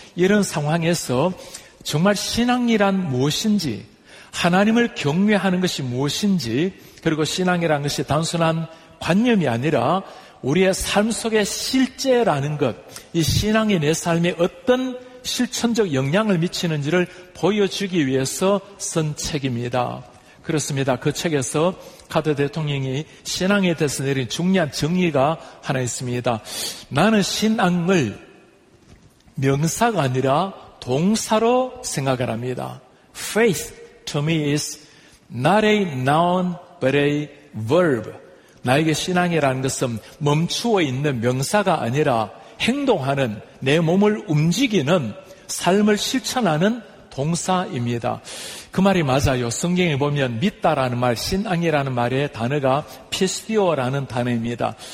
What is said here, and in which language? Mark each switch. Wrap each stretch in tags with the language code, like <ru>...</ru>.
<ko>이런 상황에서 정말 신앙이란 무엇인지, 하나님을 경외하는 것이 무엇인지, 그리고 신앙이란 것이 단순한 관념이 아니라 우리의 삶 속의 실제라는 것, 이 신앙이 내 삶에 어떤 실천적 영향을 미치는지를 보여주기 위해서 쓴 책입니다. 그렇습니다. 그 책에서 카터 대통령이 신앙에 대해서 내린 중요한 정의가 하나 있습니다. 나는 신앙을 명사가 아니라 동사로 생각을 합니다.</ko> <en>Faith to me is not a noun but a verb.</en> <ko>나에게 신앙이라는 것은 멈추어 있는 명사가 아니라 행동하는, 내 몸을 움직이는, 삶을 실천하는 동사입니다. 그 말이 맞아요. 성경에 보면 믿다라는 말, 신앙이라는 말의 단어가 피스디오라는 단어입니다.</ko>